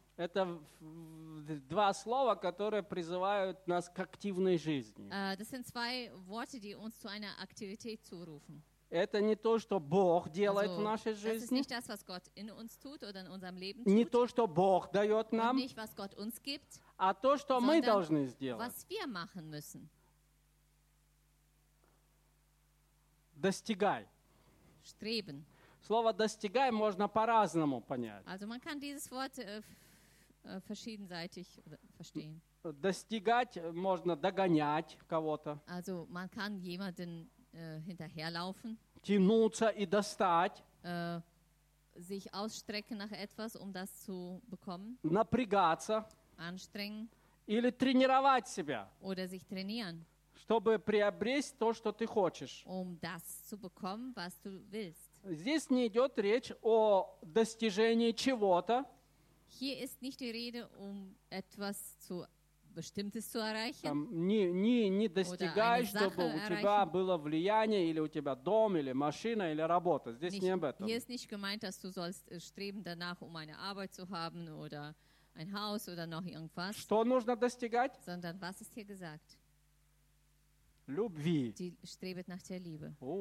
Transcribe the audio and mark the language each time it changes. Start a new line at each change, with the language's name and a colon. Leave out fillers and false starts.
Russian: Это два слова, которые призывают нас к активной жизни.
German: Das sind zwei Worte, die uns zu einer Aktivität zurufen.
Russian: Это не то, что Бог делает в нашей жизни.
German: Das ist nicht das, was Gott in uns tut oder in unserem Leben tut.
Russian: Не то, что Бог дает нам.
German: Und nicht, was Gott uns gibt.
Russian: А то, что мы должны сделать.
German: Was wir machen müssen.
Russian: Достигай.
German: Streben.
Russian: Слово «достигай» можно по-разному понять.
German: Also man kann dieses Wort verschiedenseitig verstehen.
Russian: Достигать можно догонять кого-то.
German: Also man kann jemanden hinterherlaufen.
Russian: Тянуться и достать.
German: Sich ausstrecken nach etwas, um das zu bekommen.
Russian: Напрягаться.
German: Anstrengen.
Russian: Или тренировать себя.
German: Oder sich trainieren.
Russian: Чтобы приобрести то, что ты хочешь.
German: Um das zu bekommen, was du willst.
Russian: Здесь не идет речь о достижении чего-то.
German: Hier ist nicht die Rede, etwas zu Bestimmtes zu erreichen.
Russian: Не достигай, чтобы у тебя было влияние, или у тебя дом, или машина, или работа. Здесь не об этом.
German: Hier ist nicht gemeint, dass du sollst streben danach, eine Arbeit zu haben, oder ein Haus, oder noch irgendwas.
Russian: Что нужно достигать?
German: Sondern was ist hier gesagt?
Russian: Любви.
German: Die strebet nach der Liebe.